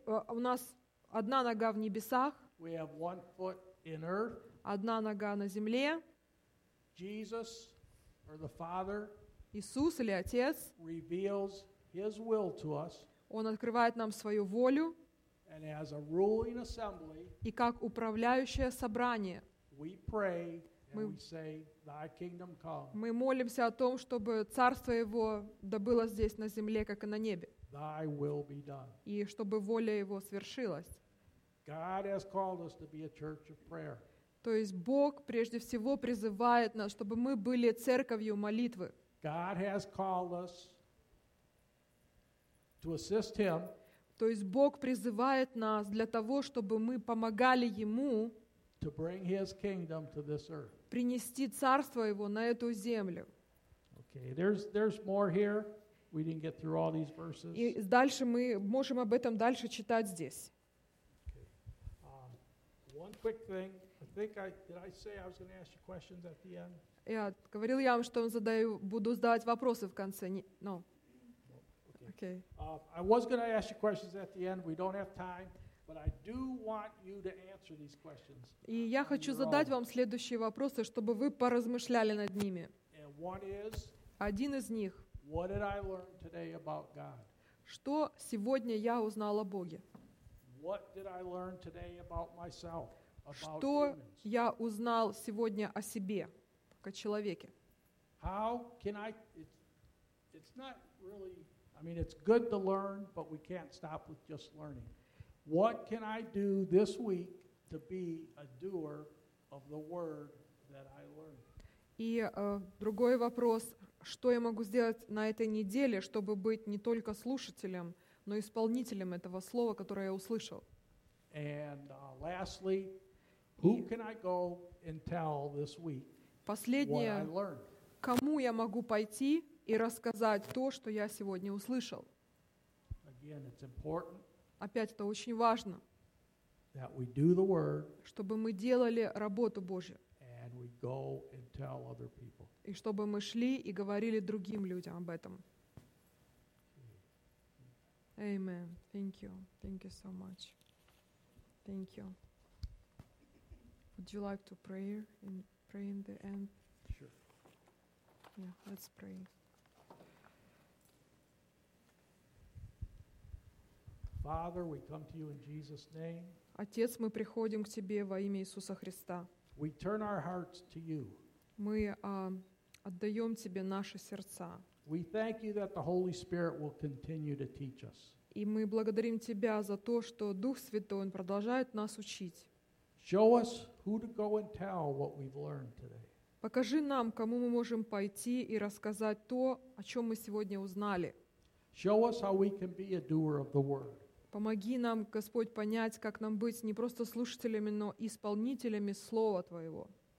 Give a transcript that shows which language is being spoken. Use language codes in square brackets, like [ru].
[ru] У нас одна нога в небесах. [en] We have one foot in earth. [ru] Одна нога на земле. [en] Jesus or the Father. [ru] Иисус или Отец. [en] Reveals His will to us. [ru] Он открывает нам свою волю. [en] And as a ruling assembly. [ru] И как управляющее собрание. [en] We pray and we say, Thy kingdom come. [ru] Мы молимся о том, чтобы царство Его да было здесь на земле, как и на небе. [en] Thy will be done. [ru] И чтобы воля Его свершилась. [en] God has called us to be a church of prayer. [ru] То есть Бог прежде всего призывает нас, чтобы мы были церковью молитвы. [en] God has called us to assist Him. [ru] То есть Бог призывает нас для того, чтобы мы помогали Ему. [en] To bring His kingdom to this earth. [ru] Принести царство Его на эту землю. [en] Okay, there's more here. We didn't get through all these verses. [ru] И дальше мы можем об этом дальше читать здесь. [en] Okay. One quick thing. Did I say I was going to ask you questions at the end? [ru] Я говорил я вам, что буду задавать вопросы в конце. [en] No. Okay. I was going to ask you questions at the end. We don't have time. But I do want you to answer these questions. [ru] И я хочу задать вам следующие вопросы, чтобы вы поразмышляли над ними. [en] And one is. [ru] Один из них. [en] What did I learn today about God? [ru] Что сегодня я узнал о Боге? [en] What did I learn today about myself? [ru] Что я узнал сегодня о себе, о человеке? [en] How can I? It's not really. I mean, it's good to learn, but we can't stop with just learning. What can I do this week to be a doer of the word that I learned? [ru] И другой вопрос, что я могу сделать на этой неделе, чтобы быть не только слушателем, но и исполнителем этого слова, которое я услышал? [en] And lastly, who can I go and tell this week what I learned? [ru] Кому я могу пойти и рассказать то, что я сегодня услышал? [en] Again, it's important. [ru] Опять это очень важно, [en] that we do the word, [ru] чтобы мы делали работу Божью. [en] And we go and tell other people. [ru] И чтобы мы шли и говорили другим людям об этом. [en] Amen. Thank you. Thank you so much. Thank you. Would you like to pray in the end? Sure. Yeah, let's pray. Father, we come to you in Jesus' name. [ru] Отец, мы приходим к тебе во имя Иисуса Христа. [en] We turn our hearts to you. [ru] Мы отдаем тебе наши сердца. [en] We thank you that the Holy Spirit will continue to teach us. [ru] И мы благодарим тебя за то, что Дух Святой продолжает нас учить. [en] Show us who to go and tell what we've learned today. [ru] Покажи нам, кому мы можем пойти и рассказать то, о чем мы сегодня узнали. [en] Show us how we can be a doer of the word. [ru] Помоги нам, Господь, понять, как нам быть не просто слушателями, но исполнителями Слова Твоего.